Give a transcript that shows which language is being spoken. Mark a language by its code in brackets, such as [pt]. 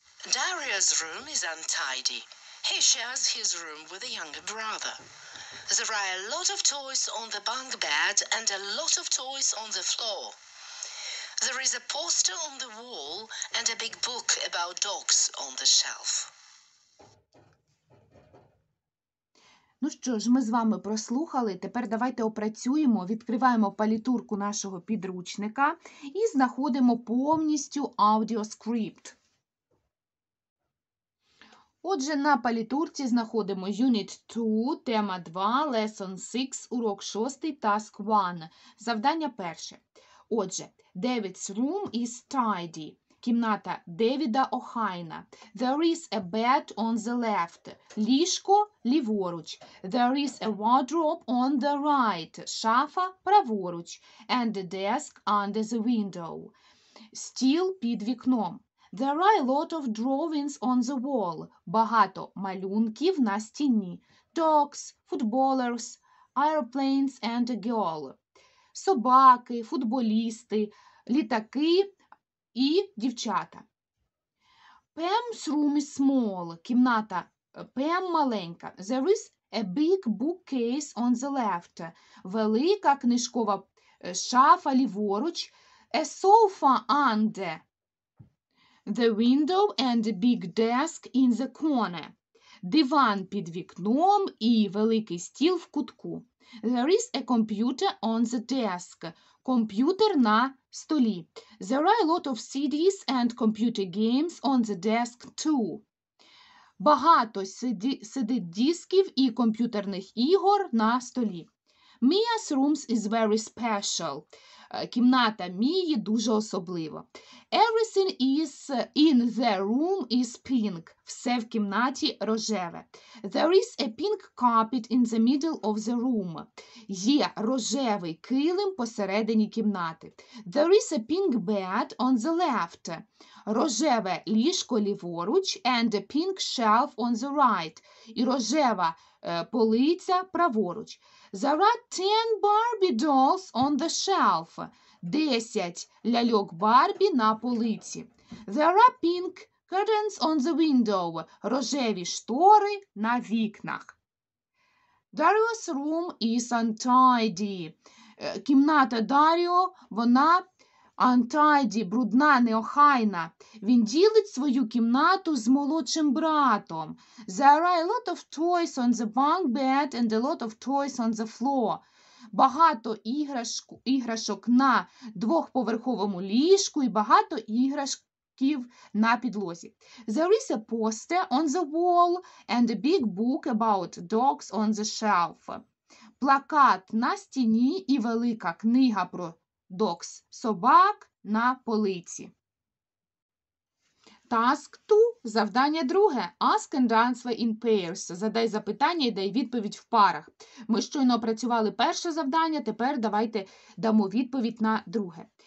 [en] Daria's room is untidy. He shares his room with a younger brother. There are a lot of toys on the bunk bed and a lot of toys on the floor. There is a poster on the wall and a big book about dogs on the shelf. [uk] Ну що ж, ми з вами прослухали, тепер давайте опрацюємо, відкриваємо палітурку нашого підручника і знаходимо повністю аудіоскрипт. Отже, на палітурці знаходимо Unit 2, тема 2, Lesson 6, урок 6, Task 1. Завдання перше. Отже, [en] David's room is tidy. [uk] Кімната Девіда охайна. [en] There is a bed on the left. [uk] Ліжко ліворуч. [en] There is a wardrobe on the right. [uk] Шафа праворуч. [en] And a desk under the window. [uk] Стіл під вікном. [en] There are a lot of drawings on the wall. [uk] Багато малюнків на стіні. [en] Dogs, footballers, aeroplanes and a girl. [uk] Собаки, футболісти, літаки і дівчата. [en] Pam's room is small. [uk] Кімната Пем маленька. [en] There is a big bookcase on the left. [uk] Велика книжкова шафа ліворуч. [en] A sofa under the window and a big desk in the corner. [uk] Диван під вікном і великий стіл в кутку. [en] There is a computer on the desk. [uk] Комп'ютер на столі. [en] There are a lot of CDs and computer games on the desk too. [uk] Багато сидить дисків і комп'ютерних ігор на столі. [en] Mia's room is very special. [uk] Кімната Мії дуже особлива. [en] Everything is in the room is pink. [uk] Все в кімнаті рожеве. [en] There is a pink carpet in the middle of the room. [uk] Є рожевий килим посередині кімнати. [en] There is a pink bed on the left. [uk] Рожеве ліжко ліворуч [en] and a pink shelf on the right. [uk] І рожева полиця праворуч. [en] There are 10 Barbie dolls on the shelf. [uk] 10 ляльок Барбі на полиці. [en] There are pink curtains on the window. [uk] Рожеві штори на вікнах. [en] Dario's room is untidy. [uk] Кімната Даріо, вона untidy, брудна, неохайна. Він ділить свою кімнату з молодшим братом. [en] There are a lot of toys on the bunk bed and a lot of toys on the floor. [uk] Багато іграшок на двохповерховому ліжку і багато іграшків на підлозі. [en] There is a poster on the wall and a big book about dogs on the shelf. [uk] Плакат на стіні і велика книга про dogs, собак на полиці. [en] Task two – [uk] завдання друге. [en] Ask and answer in pairs. [uk] Задай запитання і дай відповідь в парах. Ми щойно опрацювали перше завдання, тепер давайте дамо відповідь на друге.